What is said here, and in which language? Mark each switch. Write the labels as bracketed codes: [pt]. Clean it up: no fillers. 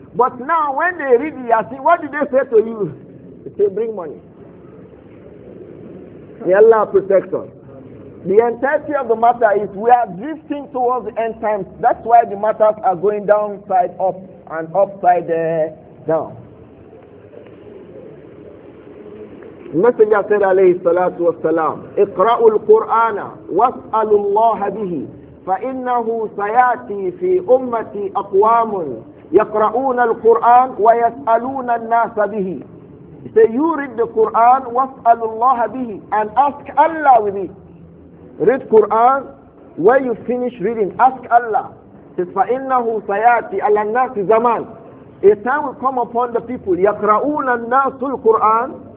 [en] But now when they read Yasin, what do they say to you? Say, bring money. May Allah protect us. The entirety of the matter is we are drifting towards the end times. That's why the matters are going downside up and upside down. The Messenger said, [ar] alayhi salatu wasalam, اقرأوا القرآن واسألوا الله به فإنه سيأتي في أمتي أقوام يقرؤون القرآن ويسألون الناس به. [en] Say, you read the Quran, [ar] وَاسْأَلُ اللَّهَ بِهِ, [en] and ask Allah with it. Read Quran, when you finish reading, ask Allah. [ar] Says, فَإِنَّهُ سَيَاتِ عَلَى النَّاسِ زَمَانِ. [en] A time will come upon the people, [ar] يَقْرَؤُونَ النَّاسُ الْقُرْآنِ,